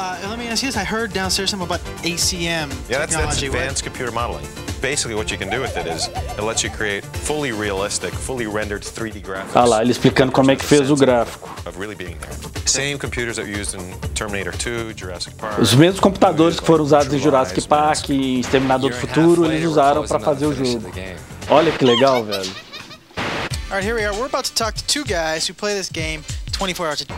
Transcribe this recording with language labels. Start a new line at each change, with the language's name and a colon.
English: Let me ask you this. I heard downstairs something about ACM. Yeah, that's advanced computer modeling. Basically, what you can do with it is it lets you create fully realistic, fully rendered 3D graphics.
Portuguese: Ah lá, ele explicando como é que fez o gráfico.
English: Of really being there. Same computers that were used in Terminator 2, Jurassic Park.
Portuguese: Os mesmos computadores que foram usados em Jurassic Park e em Exterminador do Futuro, eles usaram para fazer o jogo. Olha que legal, velho.
English: All right, here we are. We're about to talk to two guys who play this game 24 hours a day.